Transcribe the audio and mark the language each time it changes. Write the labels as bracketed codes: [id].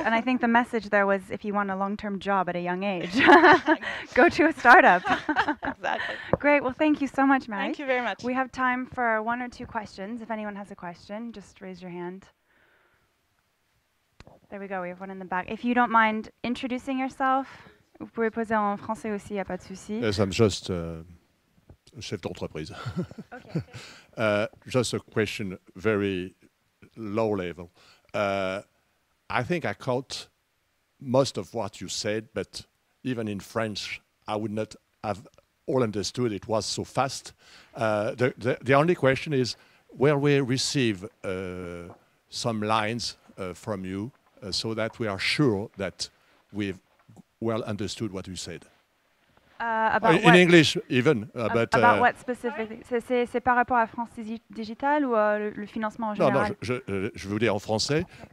[en] And I think the message there was, if you want a long-term job at a young age, go to a startup. Exactly. Great. Well, thank you so much, Mary. Thank you very much. We have time for one or two questions. If anyone has a question, just raise your hand. There we go. We have one in the back. If you don't mind introducing yourself, [fr] vous pouvez poser en français aussi, il n'y a pas de souci. [en] Yes, I'm just chef d'entreprise. Okay. Just a question, very low level. I think I caught most of what you said, but even in French, I would not have all understood it was so fast. The only question is, where we receive some lines from you so that we are sure that we've well understood what you said. About in English, even. But about what specifically? [fr] C'est par rapport à France Digital ou le financement en général? Non, je vous dis en français.